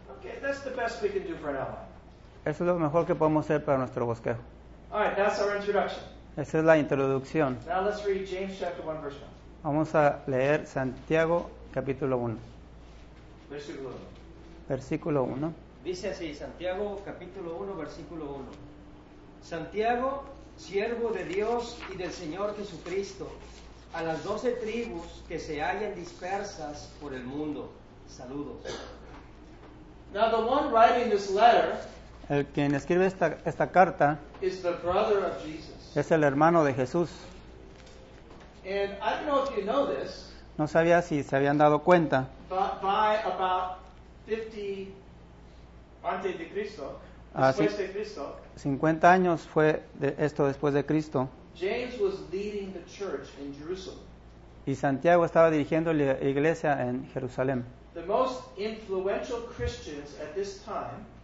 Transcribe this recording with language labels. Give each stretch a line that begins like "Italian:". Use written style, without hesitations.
English: Okay, that's the best we can do for an outline.
Spanish: Eso es lo mejor que podemos hacer para nuestro bosquejo.
English: All right, that's our introduction.
Spanish: Esa es la introducción.
English: Now let's read James chapter 1, verse 1.
Spanish: Vamos a leer Santiago capítulo 1. Versículo 1. Dice así, Santiago capítulo 1, versículo 1. Santiago, siervo de Dios y del Señor Jesucristo, a las 12 tribus que se hallan dispersas por el mundo. Saludos.
English: Now the one writing this letter,
Spanish: el quien escribe esta carta,
English: is the brother of Jesus.
Spanish: Es el hermano de Jesús.
English: And I don't know if you know this,
Spanish: no sabía si se habían dado cuenta,
English: but by about 50
Spanish: antes de Cristo, después de Cristo, 50 años fue de esto después de Cristo,
English: James was leading the church in Jerusalem.
Spanish: Y Santiago estaba dirigiendo la iglesia en Jerusalén.
English: The most influential Christians at this time,